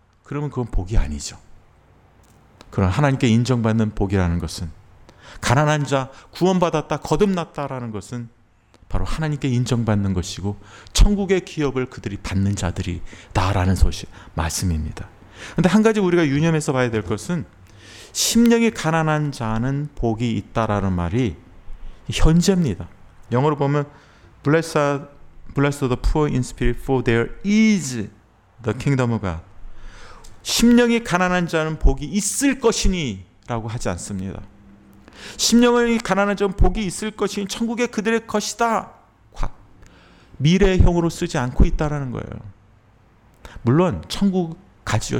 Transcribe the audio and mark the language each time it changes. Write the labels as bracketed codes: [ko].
[ko] 그러면 그건 복이 아니죠. 그런 하나님께 인정받는 복이라는 것은, 가난한 자 구원받았다 거듭났다라는 것은 바로 하나님께 인정받는 것이고 천국의 기업을 그들이 받는 자들이다라는 소식 말씀입니다. 그런데 한 가지 우리가 유념해서 봐야 될 것은, 심령이 가난한 자는 복이 있다라는 말이 현재입니다. 영어로 보면 [en] Blessed are the poor in spirit, for there is the kingdom of God. [ko] 심령이 가난한 자는 복이 있을 것이니 라고 하지 않습니다. 심령이 가난한 자는 복이 있을 것이니 천국의 그들의 것이다. 미래형으로 쓰지 않고 있다라는 거예요. 물론 천국 가지요.